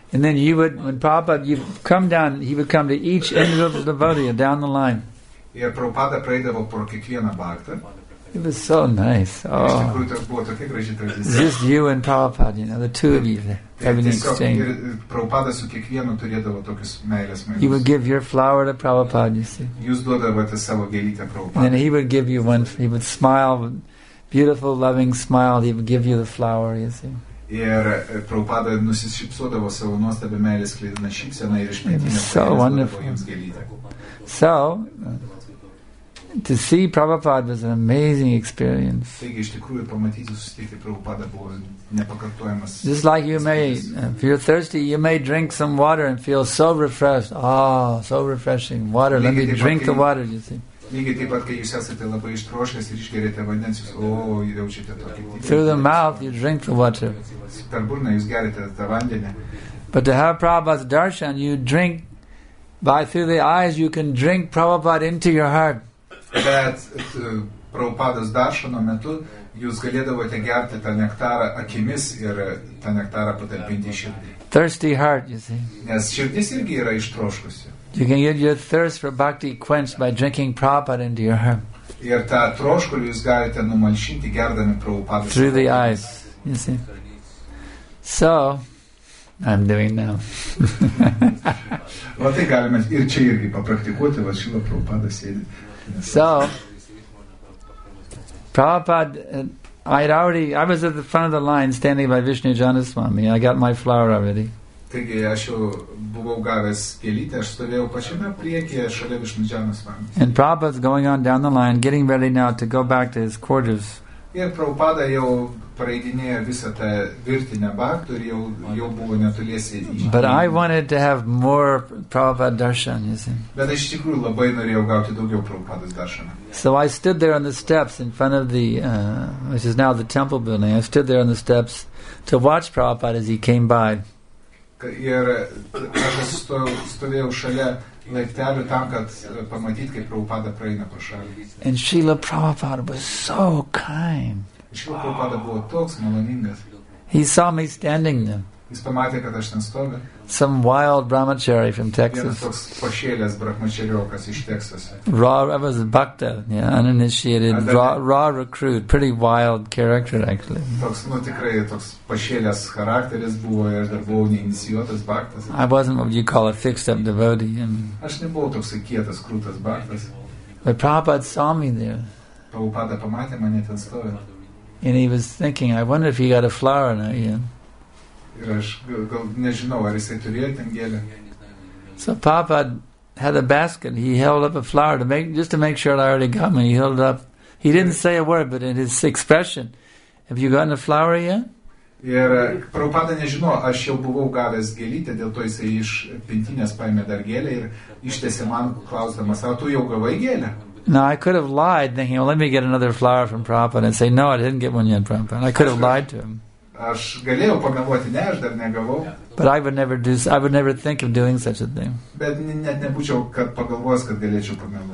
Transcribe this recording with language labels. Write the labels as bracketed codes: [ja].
[en] And then you would, when Prabhupada, you come down, he would come to each individual devotee down the line. [lt] Ir Prabhupada praeidavo pro kiekvieną bhaktą. [en] It was so nice. Oh. Just you and Prabhupada, you know, the two of you having an exchange. He would give your flower to Prabhupada, you see. And then he would give you one, he would smile, beautiful, loving smile, he would give you the flower, you see. [lt] Ir Prabhupada nusišypsodavo savo nuostabią meilės sklidiną šypseną ir išmintinę jiems gėlytę. [en] So, to see Prabhupada was an amazing experience. [lt] Taigi, iš tikrųjų, pamatyti, susitikti Prabhupada buvo nepakartojamas. [en] Just like you may, if you're thirsty, you may drink some water and feel so refreshed. Oh, so refreshing. Water, let me drink the water, you see. [lt] Lygiai taip pat, kai jūs esate labai ištroškęs ir išgerėte vandens, jūs, o, jaučiate tokį. [en] Through the mouth, you drink the water. [lt] Per burną jūs gerite tą vandenį. [en] But to have Prabhupada's darshan, you drink, by through the eyes, you can drink Prabhupada into your heart. [lt] Bet Prabhupada's darshano metu, jūs galėdavote gerti tą nektarą akimis ir tą nektarą patalpinti į širdį. [en] Thirsty heart, you see. [lt] Nes širdis irgi yra ištroškusi. [en] You can get your thirst for bhakti quenched by drinking Prabhupada into your heart. [lt] Ir tą troškulį jūs galite numalšinti gerdami Prabhupada. [en] Through the eyes, you see. So, I'm doing now. [lt] Va tai galime ir čia irgi papraktikuoti, va šilo Prabhupada sėdi. [en] So, Prabhupada, I was at the front of the line standing by Vishnu Janaswami. I got my flower already. [lt] Taigi, aš jau buvau gavęs gėlytę, aš stovėjau pačiame priekyje šalia Vishnu Janaswami. [en] And Prabhupada's going on down the line, getting ready now to go back to his quarters. [lt] Ir Prabhupada jau praeidinėjo visą tą virtinę bhaktų ir jau buvo netoliesi. [en] But I wanted to have more Prabhupada darshan, you see. [lt] Bet aš iš tikrųjų labai norėjau gauti daugiau Prabhupada's darshaną. [en] So I stood there on the steps in front of the, which is now the temple building, I stood there on the steps to watch Prabhupada as he came by. [lt] Ir aš stovėjau šalia laiptelių tam, kad pamatyti, kaip Prabhupada praeina pro šalį. [en] And Srila Prabhupada was so kind. [lt] Srila Prabhupada buvo toks maloningas. [en] He saw me standing there. [lt] Jis pamatė, kad aš ten stoviu. [en] Some wild brahmachari from Texas. [lt] Vienas toks pašėlės brahmachariokas iš Texas. [en] Raw, I was a bhakta, yeah, uninitiated, raw recruit, pretty wild character actually. [lt] Toks, nu tikrai, toks pašėlės charakteris buvo ir dar buvau neinicijuotas bhaktas. [en] I wasn't what you call a fixed up devotee. And [lt] aš nebuvau toks kietas, krūtas bhaktas. [en] But Prabhupada saw me there. [lt] Prabhupada pamatė mane ten stoviu. [en] And he was thinking, I wonder if he got a flower or not, yeah. [lt] Ir aš gal nežinau, ar jisai turėjo ten gėlę. [en] So Papa had a basket, he held up a flower to make, just to make sure I already got me, he held up, he didn't say a word, but in his expression, have you gotten a flower yet? [lt] Ir Prabhupada nežino, aš jau buvau gavęs gėlytę, dėl to jisai iš pintinės paėmė dar gėlę ir ištiesė man klausdamas, ar tu jau gavai gėlę? [en] Now, I could have lied, thinking, well, let me get another flower from Prabhupada and say, no, I didn't get one yet, Prabhupada. I could have lied to him. [lt] Aš galėjau pagalvoti, ne, aš dar negavau. [en] But I would never think of doing such a thing. [lt] Bet net nebūčiau, kad pagalvos, kad galėčiau pagalvoti.